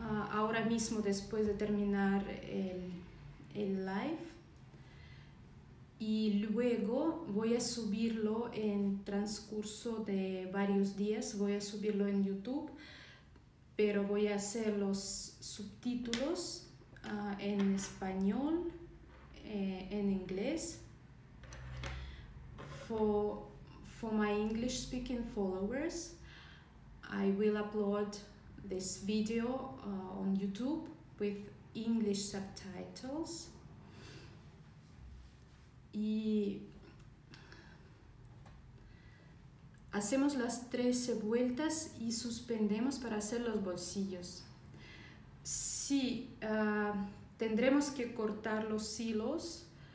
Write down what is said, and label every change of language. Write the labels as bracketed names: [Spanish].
[Spanish] Ahora mismo, después de terminar el live, y luego voy a subirlo en transcurso de varios días, voy a subirlo en YouTube, pero voy a hacer los subtítulos en español, en inglés, [English] for my English speaking followers. I will upload this video on YouTube with English subtitles. [Spanish] Y hacemos las 13 vueltas y suspendemos para hacer los bolsillos. Sí, tendremos que cortar los hilos.